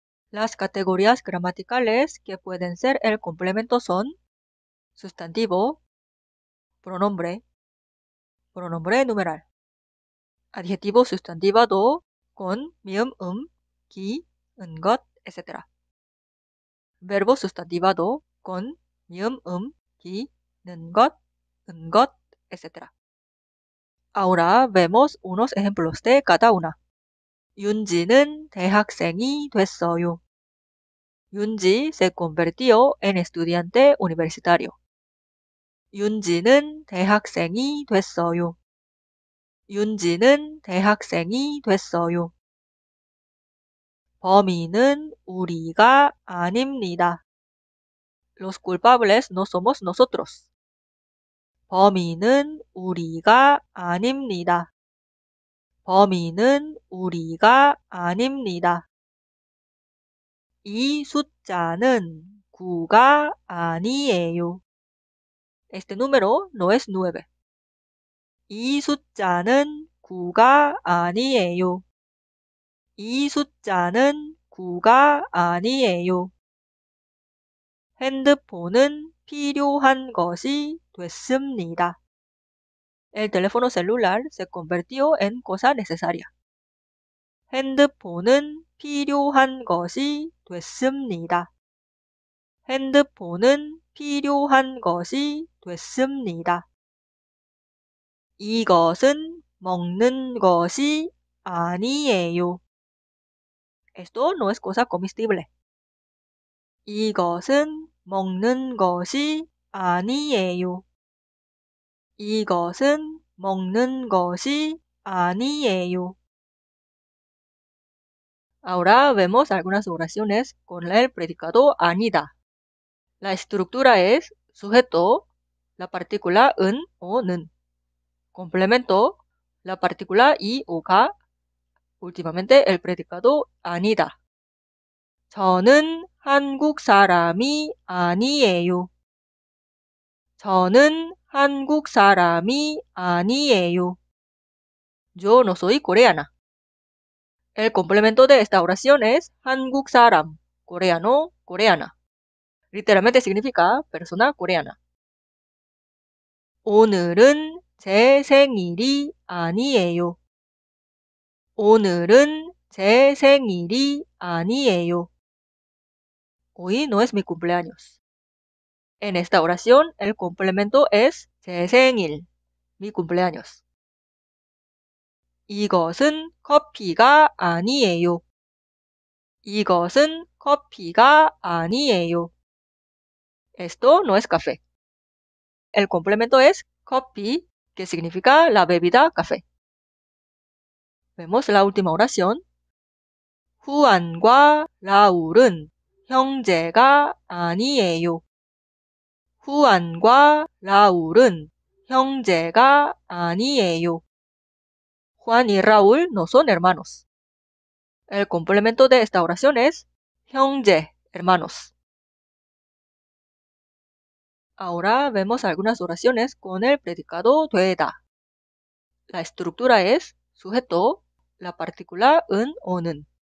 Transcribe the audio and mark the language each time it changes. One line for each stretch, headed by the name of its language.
Spanish: Las categorías gramaticales que pueden ser el complemento son sustantivo, pronombre, pronombre numeral, adjetivo sustantivado con 미음, 음, 기, 은, 것, etc. Verbo sustantivado con 미음, 음, 기, 는, 것, 은 것, etc. Ahora vemos unos ejemplos de cada una.
Korean: 윤지는 대학생이 됐어요.
Spanish: 윤지 se convirtió en estudiante universitario.
Korean: 윤지는 대학생이 됐어요. 윤지는 대학생이 됐어요. 범인은 우리가 아닙니다.
Spanish: Los culpables no somos nosotros.
Korean: 범인은 우리가 아닙니다. 범인은 우리가 아닙니다. 이 숫자는 9가 아니에요.
Spanish: Este número no es 9.
Korean: 이 숫자는 9가 아니에요. 이 숫자는 9가 아니에요. 핸드폰은 필요한 것이 됐습니다.
Spanish: El teléfono celular se convirtió en cosa necesaria.
Korean: 핸드폰은 필요한 것이 됐습니다. 핸드폰은 필요한 것이 됐습니다. 이것은 먹는 것이 아니에요.
Spanish: Esto no es cosa comestible.
Korean: 이것은 먹는 것이 아니에요. 이것은 먹는 것이 아니에요.
Spanish: Ahora vemos algunas oraciones con el predicado 아니다. La estructura es sujeto, la partícula 은 o 는. Complemento, la partícula 이 o 가. Últimamente el predicado 아니다.
Korean: 저는 한국 사람이 아니에요. 저는 한국 사람이 아니에요.
Spanish: Yo no soy coreana. El complemento de esta oración es 한국 사람, coreano, coreana. Literalmente significa persona coreana.
Korean: 오늘은 제 생일이 아니에요. 오늘은 제 생일이 아니에요.
Spanish: Hoy no es mi cumpleaños. En esta oración, el complemento es 제 생일, mi cumpleaños.
Korean: 이것은 커피가 아니에요. 이것은 커피가 아니에요.
Spanish: Esto no es café. El complemento es coffee, que significa la bebida café. Vemos la última oración.
Korean: Juan과 Raúl은 형제가 아니에요. Juan과 Raúl은 형제가 아니에요.
Spanish: Juan y Raúl no son hermanos. El complemento de esta oración es 형제, hermanos. Ahora vemos algunas oraciones con el predicado 되다. La estructura es sujeto, la partícula 은, 오는.